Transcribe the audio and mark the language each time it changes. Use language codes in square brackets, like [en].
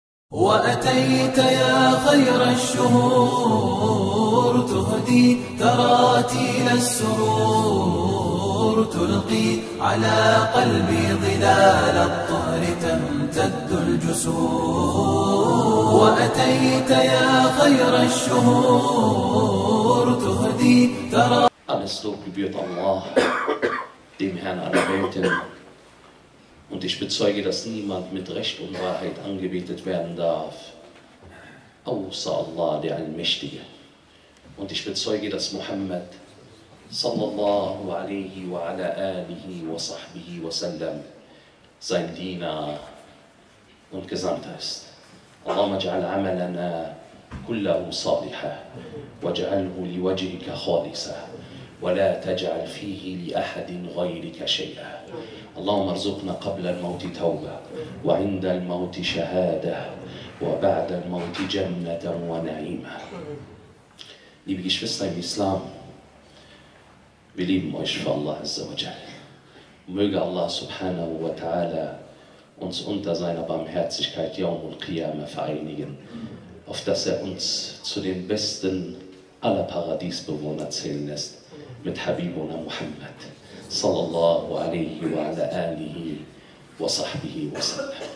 [ar] وأتيت يا خير الشهور تهدي تراتيل السرور تلقي على قلبي ظلال الطهر تمتد الجسور وأتيت يا خير الشهور تهدي ترى أنستوك بيوت الله [de] dem Herrn aller Welten. Und ich bezeuge, dass niemand mit Recht und Wahrheit angebetet werden darf, außer Allah, der Allmächtige. Und ich bezeuge, dass Muhammad sallallahu alaihi wa ala alihi wa sahbihi wa sallam sein Diener und Gesandter ist. [ar] Allahumma ja'al amalana kullahu saliha wa ja'alhu liwajhika khalisa wa la taj'al fihi li ahadin ghayrika shay'a. اللهم ارزقنا قبل الموت توبة وعند الموت شهادة وبعد الموت جنة ونعيمة. [de] Liebe Geschwister im Islam, wir lieben euch für Allah Azza wa Jal. Möge Allah subhanahu wa ta'ala uns unter seiner Barmherzigkeit Yawm al-Qiyama vereinigen, auf dass er uns zu den besten aller Paradiesbewohner zählen lässt mit Habibuna Muhammad sallallahu alaihi wa ala alihi wa sahbihi wa sallam.